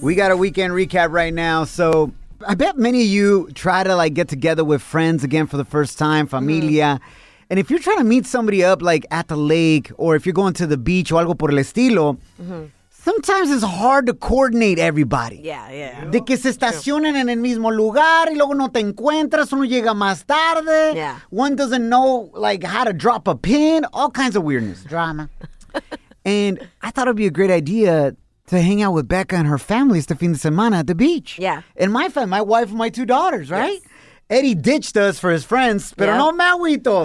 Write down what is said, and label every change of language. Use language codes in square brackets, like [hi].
[en] We got a weekend recap right now. So I bet many of you try to like get together with friends again for the first time, familia. Mm-hmm. And if you're trying to meet somebody up like at the lake or if you're going to the beach [es] o algo por el estilo, [en] sometimes it's hard to coordinate everybody. Yeah, yeah. [es] De que se estacionen en el mismo lugar y luego no te encuentras, uno llega más tarde. [en] Yeah. One doesn't know, like, how to drop a pin. All kinds of weirdness. Drama. And I thought it would be a great idea to hang out with Becca and her family [es] este fin de semana [en] at the beach. Yeah. And my family, my wife and my two daughters, right? Yes. Eddie ditched us for his friends, [es] pero no Mauito.